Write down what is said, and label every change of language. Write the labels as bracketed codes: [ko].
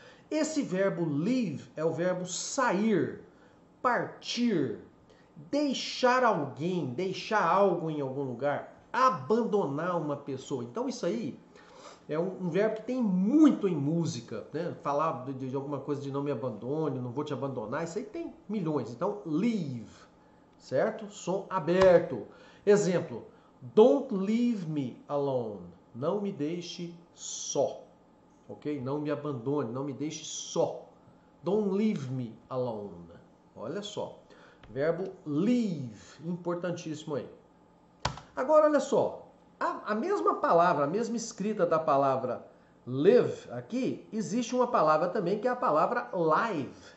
[pt] Esse verbo leave é o verbo sair, partir, deixar alguém, deixar algo em algum lugar, abandonar uma pessoa. Então, isso aí é um verbo que tem muito em música, né? Falar de alguma coisa de não me abandone, não vou te abandonar, isso aí tem milhões. Então, leave, certo? Som aberto. Exemplo, [en] don't leave me alone. [pt] Não me deixe só, ok? Não me abandone, não me deixe só. [en] Don't leave me alone. [pt] Olha só, verbo leave, importantíssimo aí. Agora, olha só. A mesma palavra, a mesma escrita da palavra live aqui, existe uma palavra também que é a palavra live.